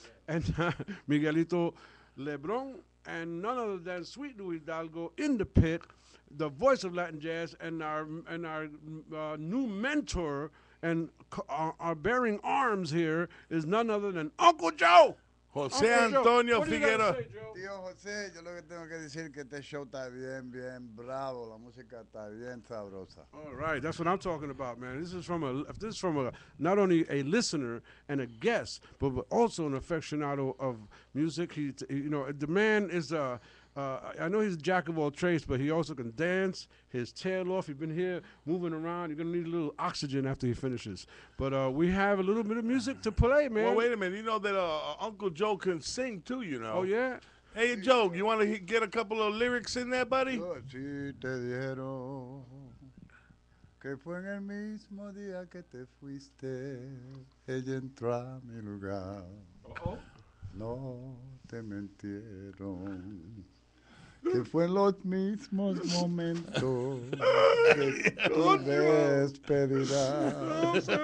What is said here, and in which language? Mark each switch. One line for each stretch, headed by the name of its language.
English: And Miguelito Lebron, and none other than Sweet Lou Hidalgo in the pit, the voice of Latin jazz, and our new mentor. And our bearing arms here is none other than Uncle Joe. José Antonio Figueroa.
Spanish: Tío José, yo lo que tengo que decir que este show está bien, bien bravo. La música está bien sabrosa.
English: All right, that's what I'm talking about, man. This is from not only a listener and a guest, but also an aficionado of music. The man is a. I know he's a jack of all trades, but he also can dance his tail off. He's been here moving around. You're going to need a little oxygen after he finishes. But we have a little bit of music to play, man. Well, wait a minute. You know that Uncle Joe can sing, too, you know. Oh, yeah? Hey, Joe, you want to get a couple of lyrics in there, buddy?
Spanish: Si te dijeron que fue en el mismo día que te fuiste, ella entró a mi lugar. No te mentieron. Que fue en los mismos momentos que tu despedida.